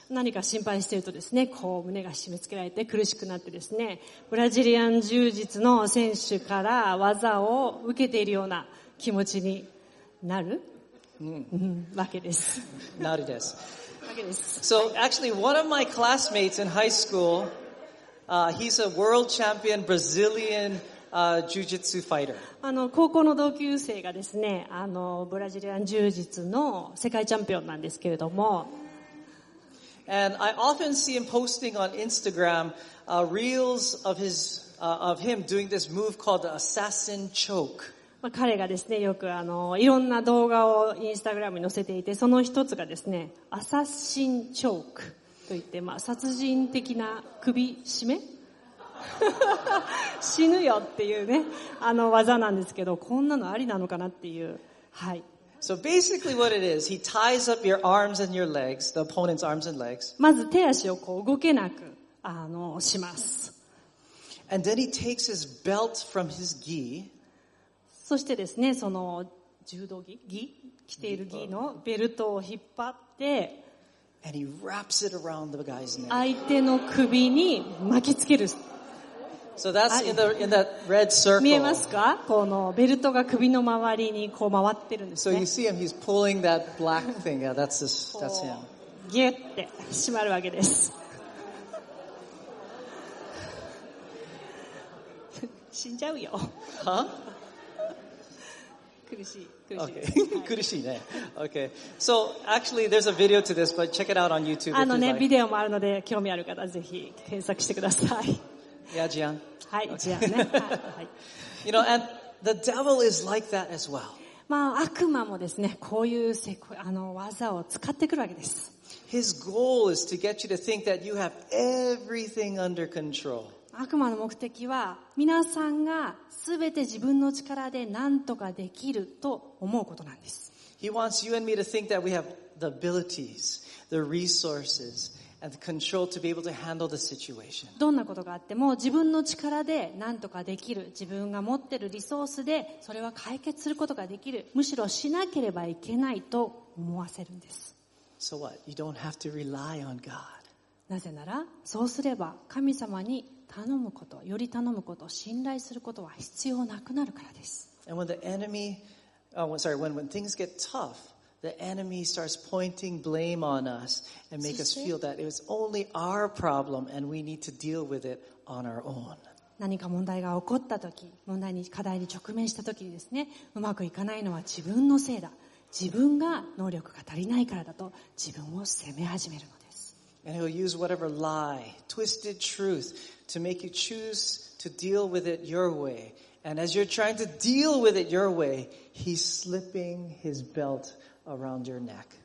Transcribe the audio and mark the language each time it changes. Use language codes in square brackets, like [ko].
[ja] 何か心配しているとですね、こう胸が締め付けられて苦しくなってですね、ブラジリアン柔術の選手から技を受けているような気持ちになる、わけです。なるです。わけです。 [en] So actually one of my classmates in high school, he's a world champion Brazilian jiu-jitsu fighter. [ja] 高校の同級生がですね、ブラジリアン柔術の世界チャンピオンなんですけれども、 [en] And I often see him posting on Instagram, reels of his, of him doing this move called the assassin choke. [ja] 彼がですね、よくいろんな動画をインスタグラムに載せていて、その一つがですね、アサシンチョークといって、まあ、殺人的な首締め死ぬよっていうね、技なんですけど、こんなのありなのかなっていう、はい。 [en] So basically what it is, he ties up your arms and your legs, the opponent's arms and legs. [ja] まず手足をこう動けなく、します。 [en] And then he takes his belt from his gi. [ja] そしてですね、その柔道着、gi? 着ている gi のベルトを引っ張って、 [en] And he wraps it around the guy's neck. [ja] 相手の首に巻きつける。 [en] So that's in that red circle. [ja] 見えますか？このベルトが首の周りにこう回ってるんですね。 [en] So you see him, he's pulling that black thing. Yeah, that's him. [ja] ギュッて締まるわけです。死んじゃうよ。 Huh? 苦しい。苦しいね。 [en] Okay. So actually, there's a video to this, but check it out on YouTube. Like. [ja] ビデオもあるので、興味ある方はぜひ検索してください。 [en] Yeah, Jian. [ja] はい、Jian ね。 [en] You know, and the devil is like that as well. [ja] まあ、悪魔もですね、こういう技を使ってくるわけです。 [en] His goal is to get you to think that you have everything under control. [ja] 悪魔の目的は、皆さんがすべて自分の力で何とかできると思うことなんです。 [en] He wants you and me to think that we have the abilities, the resources,And control to be able to handle the situation. [ja] どんなことがあっても自分の力で何とかできる、自分が持ってるリソースでそれは解決することができる、むしろしなければいけないと思わせるんです。 [en] So what? You don't have to rely on God. [ja] なぜなら、そうすれば神様に頼むこと、より頼むこと、信頼することは必要なくなるからです。 [en] And when the enemy, when things get tough,The enemy starts pointing blame on us and make us feel that it was only our problem and we need to deal with it on our own. [ja] 何か問題が起こった時、問題に課題に直面した時にですね、うまくいかないのは自分のせいだ。自分が能力が足りないからだと自分を責め始めるのです。 [en] And he'll use whatever lie, twisted truth to make you choose to deal with it your way. And as you're trying to deal with it your way, he's slipping his beltAround your neck.